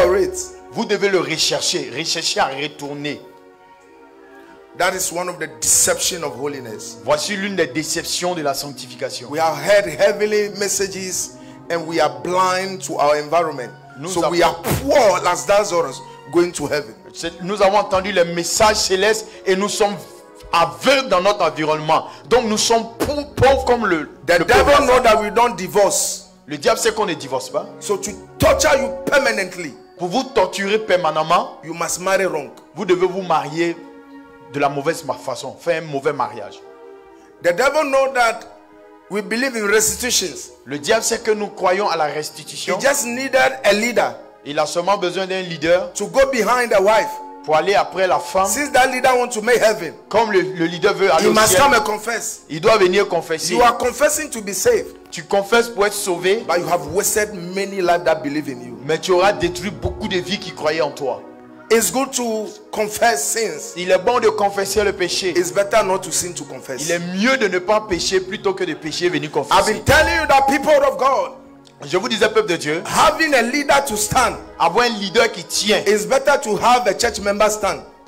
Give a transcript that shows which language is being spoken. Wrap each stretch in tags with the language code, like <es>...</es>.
<en>For it.</en> <fr>Vous devez le rechercher. Recherchez à retourner.</fr> <en>That is one of the deception of holiness.</en> <fr>Voici l'une des déceptions de la sanctification.</fr> <en>We have heard heavenly messages and we are blind to our environment. We are poor as Lazarus going to heaven.</en> <fr>Nous avons entendu les messages célestes et nous sommes aveugles dans notre environnement. Donc nous sommes pauvres comme le</fr> <en>devil know that we don't divorce.</en> <fr>Le diable sait qu'on ne divorce pas.</fr> <en>So to torture you permanently.</en> <fr>Pour vous torturer permanemment,</fr> <en>you must marry wrong.</en> <fr>Vous devez vous marier de la mauvaise façon, faire un mauvais mariage.</fr> <en>The devil know that we believe in restitutions.</en> <fr>Le diable sait que nous croyons à la restitution.</fr> <en>He just needed a leader.</en> <fr>Il a seulement besoin d'un leader.</fr> <en>To go behind the wife.</en> <fr>Pour aller après la femme.</fr> <en>Since that leader wants to make heaven.</en> <fr>Comme le leader veut aller</fr> <en>he</en> <fr>au</fr> <en>must</en> <fr>ciel.</fr> <en>Come and confess.</en> <fr>Il doit venir confesser.</fr> <en>You are confessing to be saved.</en> <fr>Tu confesses pour être sauvé.</fr> <en>But you have wasted many lives that believe in you.</en> <fr>Mais tu auras détruit beaucoup de vies qui croyaient en toi.</fr> <en>It's good to confess sins.</en> <fr>Il est bon de confesser le péché.</fr> <en>It's better not to sin to confess.</en> <fr>Il est mieux de ne pas pécher plutôt que de pécher venir confesser.</fr> <en>I've been telling you that people of God.</en> <fr>Je vous disais peuple de Dieu.</fr> <en>Having a leader to stand.</en> <fr>Avoir un leader qui tient.</fr> <en>It's better to have a church member stand.</en>